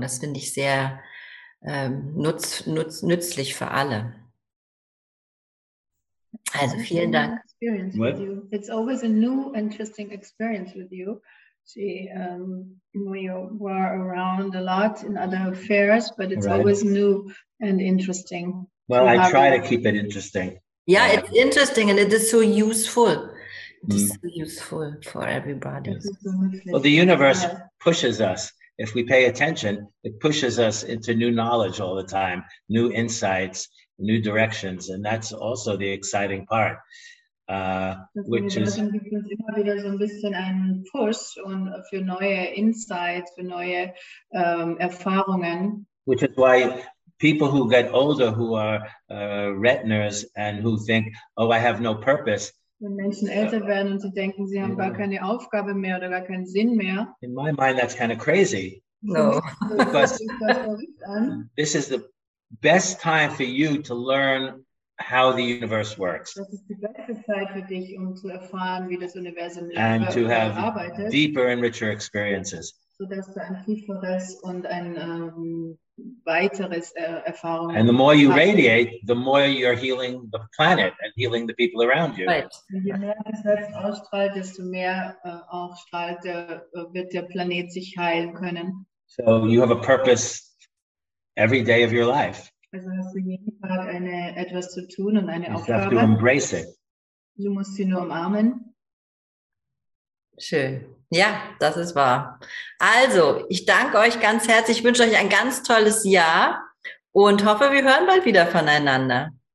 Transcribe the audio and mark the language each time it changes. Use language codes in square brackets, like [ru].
[de] Das finde ich sehr nützlich für alle. Also vielen Dank. [en] It's always a new interesting experience with you. See, we were around a lot in other affairs, but it's always new and interesting. Well, I try to keep it interesting. Yeah, it's interesting and it is so useful. It's useful for everybody. Well, the universe pushes us. If we pay attention, it pushes us into new knowledge all the time, new insights, new directions. And that's also the exciting part, which is... [de] immer wieder so ein bisschen ein Push für neue insights, für neue Erfahrungen. [en] Which is why people who get older, who are retiners and who think, oh, I have no purpose, [de] wenn Menschen älter werden und sie denken, sie haben gar keine Aufgabe mehr oder gar keinen Sinn mehr. [en] In my mind, that's kind of crazy. No. Because this is the best time for you to learn how the universe works. [de] Das ist die beste Zeit für dich, um zu erfahren, wie das Universum arbeitet. [en] And to have deeper and richer experiences. [de] So dass du ein tieferes und ein weiteres Erfahrung. [en] And the more you radiate, the more you're healing the planet and healing the people around you. Right. [de] Je mehr du selbst ausstrahlt, desto mehr auch strahlt, wird der Planet sich heilen können. [en] So you have a purpose every day of your life. [de] Also hast du jeden Tag etwas zu tun und eine Aufgabe. [en] You have to embrace it. [de] Du musst sie nur umarmen. Schön. Ja, das ist wahr. Also, ich danke euch ganz herzlich, wünsche euch ein ganz tolles Jahr und hoffe, wir hören bald wieder voneinander.